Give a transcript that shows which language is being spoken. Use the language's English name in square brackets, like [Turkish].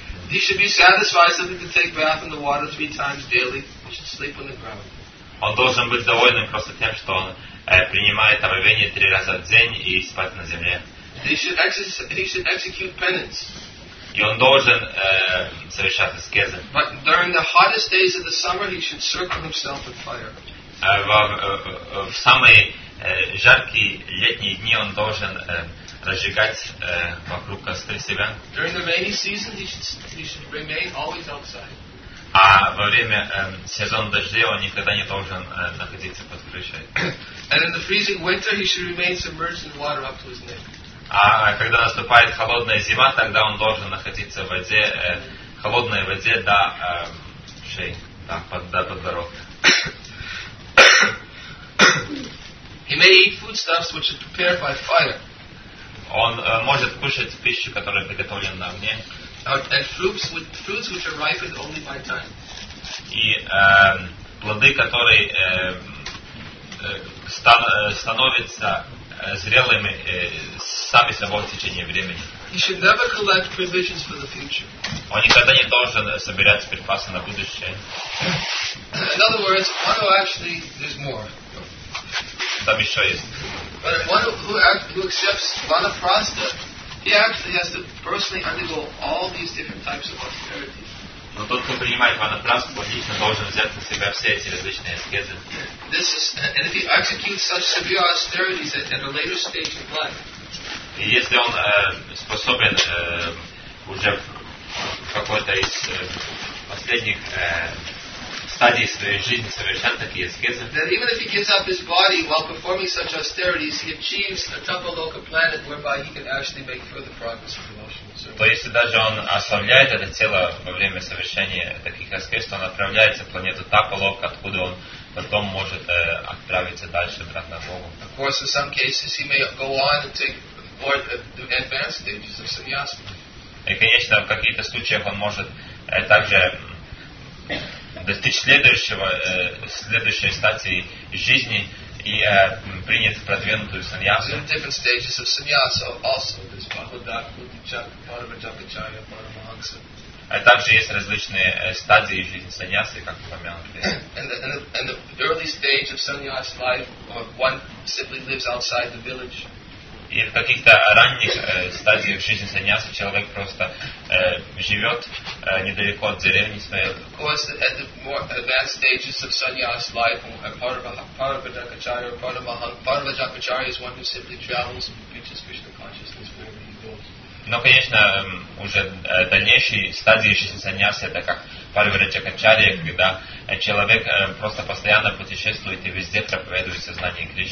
[English] He should be satisfied simply to take bath in the water 3 times daily. He should sleep on the ground. [Russian] Он должен быть довольным просто тем, что он принимает омовение 3 раза в день и спать на земле. [English] He should execute penance. [Russian] И он должен совершать аскезы. [English] But during the hottest days of the summer, he should circle himself with fire. [Russian] В самые жаркие летние дни он должен разжигать вокруг костры себя. [English] During the rainy season, he should remain always outside. [Russian] А во время сезона дождей он никогда не должен находиться под крышей. [English] And in the freezing winter, he should remain submerged in water up to his neck. [Russian] А когда наступает холодная зима, тогда он должен находиться в воде, холодной воде до шеи, да, до подбородка. [English] He may eat foodstuffs which are prepared by fire. [Russian] Он может кушать пищу, которая приготовлена на огне. [English] And fruits which are ripened only by time. [Russian] И плоды, которые становятся зрелыми сами собой в течение времени. [English] He should never collect provisions for the future. [Russian] Он никогда не должен собирать припасы на будущее. [English] In other words, one who actually there's more. [Russian] Там еще есть. [English] But one who accepts vanaprastha, he actually has to personally undergo all these different types of austerity. [Russian] Но тот, кто принимает ванапрасту, он лично должен взять на себя все эти различные аскезы. [English] This is, and if he executes such severe austerities at a later stage of life. [Russian] И если он способен уже в какой-то из последних стадий своей жизни совершал такие аскезы. [English] That even if he gives up his body while performing such austerities, he achieves a tapaloka planet whereby he can actually make further progress in devotional service. [Russian] То есть даже он оставляет это тело во время совершения таких аскез, то он отправляется в планету тапалока, откуда он потом может отправиться дальше обратно к Богу. [English] Of course, in some cases, he may go on and take more advanced stages of sannyasa. [Russian] И, конечно, в каких-то случаях он может также достичь следующего, следующей стадии жизни и принять продвинутую сannyasu. [English] In different stages of sannyasa also, there's Bhagavad Gita, Paramachakacharya, Paramahansa. [Russian] А также есть различные стадии жизни саньясы, как упомянуты. [English] And the early stage of sannyas life, one simply lives outside the village. [Russian] И в каких-то ранних стадиях жизни саньясы человек просто живет недалеко от деревни своей. [English] Of course, at the more advanced stages of sannyas life, Paramachakacharya is one who simply travels and reaches Krishna consciousness wherever he goes. [Russian] Но, конечно, уже дальнейшие стадии жизни саньясы, это как Парвараджакачарья, когда человек просто постоянно путешествует и везде проповедует сознание